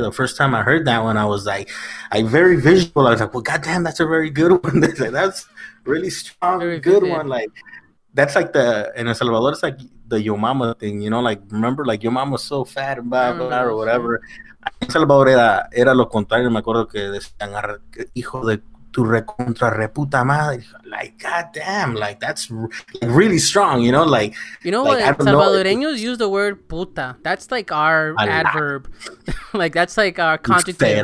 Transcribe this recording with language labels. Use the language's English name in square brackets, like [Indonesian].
[English] The first time I heard that one, I was like, very visual. I was like, well, goddamn, that's a very good one. That's really strong, very good vivid one. Like, that's like the, in El Salvador, it's like the yo mama thing, you know, like, remember, like, your mama's so fat, blah, blah, blah, or whatever. [Spanish] En Salvador era lo contrario. Me acuerdo que decían, hijo de tu recontra reputa madre. [English] Like, goddamn, like, that's really strong, you know? Like, you know, like, what? Salvadoreños use the word puta. That's like our adverb. Like, that's like our conjugate.